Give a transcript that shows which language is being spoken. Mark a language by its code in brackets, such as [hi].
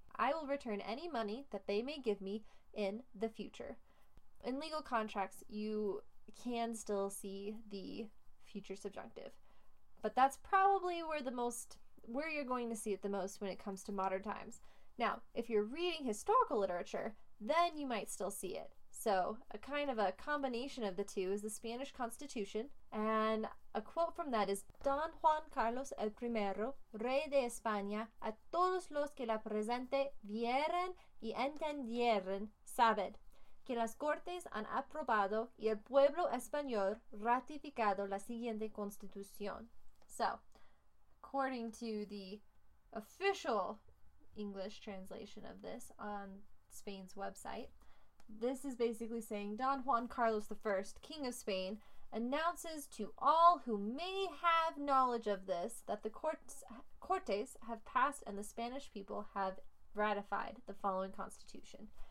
[en] I will return any money that they may give me in the future. In legal contracts, you can still see the future subjunctive. But that's probably where you're going to see it the most when it comes to modern times. Now, if you're reading historical literature, then you might still see it. So, a kind of a combination of the two is the Spanish Constitution, and a quote from that is, [es] Don Juan Carlos el Primero, Rey de España, a todos los que la presente vieran y entendieran, saben que las Cortes han aprobado y el pueblo español ratificado la siguiente Constitución. [en] So, according to the official English translation of this on Spain's website, this is basically saying Don Juan Carlos I, King of Spain, announces to all who may have knowledge of this that the Cortes have passed and the Spanish people have ratified the following constitution.